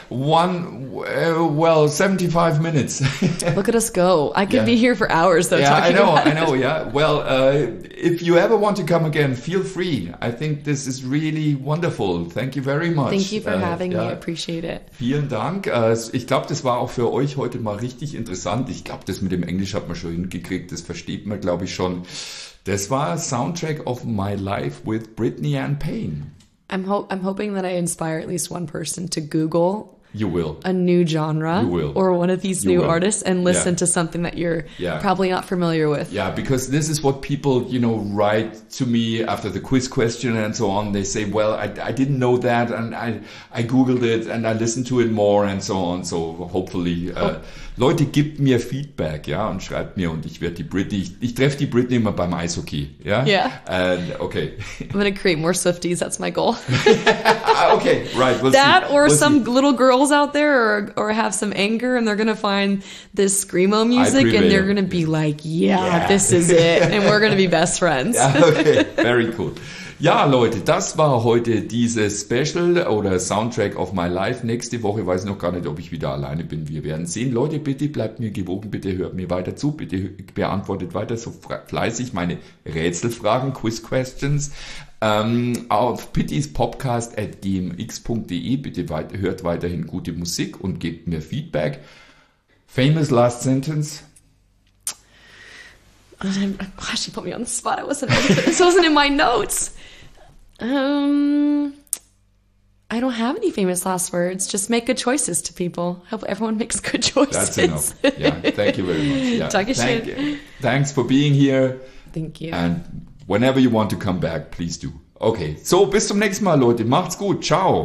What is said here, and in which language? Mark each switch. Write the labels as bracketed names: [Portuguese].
[English] One, 75 minutes. Look at us go. I could be here for hours, though, talking about it. I know. Yeah. Well, if you ever want to come again, feel free. I think this is really wonderful. Thank you very much. Thank you for having me. I appreciate it. [German] Vielen Dank. Ich glaube, das war auch für euch heute mal richtig interessant. Ich glaube, das mit dem Englisch hat man schon hingekriegt. Das versteht man, glaube ich, schon. Das war Soundtrack of My Life with Brittany Ann Payne. [English] I'm hoping that I inspire at least one person to Google you will. A new genre you will. Or one of these you new will. Artists and listen to something that you're probably not familiar with. Yeah, because this is what people, you know, write to me after the quiz question and so on. They say, well, I didn't know that and I Googled it and I listened to it more and so on. [German] So hopefully, Leute, gebt mir Feedback, ja, und schreibt mir und ich werde die Britney, ich treffe die Britney immer beim Eishockey, ja? [English] Yeah. And, okay. I'm going to create more Swifties, that's my goal. Okay, right, we'll that see. That or we'll some see. Little girls out there or have some anger and they're going to find this screamo music and they're going to be like, yeah, this is it and we're going to be best friends. Okay, very cool. [German] Ja, Leute, das war heute dieses Special oder Soundtrack of My Life. Nächste Woche weiß ich noch gar nicht, ob ich wieder alleine bin. Wir werden sehen. Leute, bitte bleibt mir gewogen. Bitte hört mir weiter zu. Bitte beantwortet weiter so fleißig meine Rätselfragen, Quiz-Questions. Auf pittyspopcast@gmx.de. Bitte hört weiterhin gute Musik und gebt mir Feedback. [English] Famous last sentence. Gosh, you put me on the spot. This wasn't in my notes. I don't have any famous last words. Just make good choices to people. Hope everyone makes good choices. That's enough. Yeah, thank you very much. [German] Danke schön. [English] Thank you. Thanks for being here. Thank you. And whenever you want to come back, please do. [German] Okay, so bis zum nächsten Mal, Leute. Macht's gut. Ciao.